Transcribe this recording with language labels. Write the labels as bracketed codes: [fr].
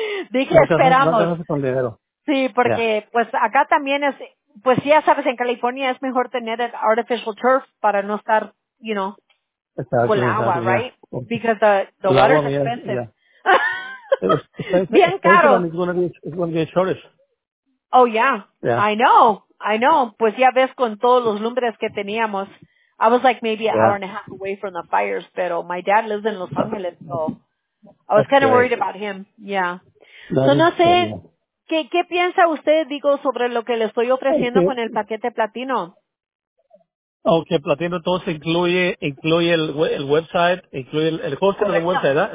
[es] Dije, esperamos. Sí, porque pues acá también es, pues ya sabes, en California es mejor tener el Artificial Turf para no estar, [en] you know, [es] con agua, right? [en] Because the water is expensive. [es] Bien caro. [en] It's going to be a shortage. Oh, yeah. I know. [es] Pues ya ves con todos los lumbres que teníamos. [en] I was like maybe an hour and a half away from the fires, pero my dad lives in Los Angeles, so I was kind of worried about him. Yeah. [es] ¿Qué piensa usted, digo, sobre lo que le estoy ofreciendo con el paquete platino? Okay, platino, entonces incluye el website, incluye el hosting del website, ¿verdad?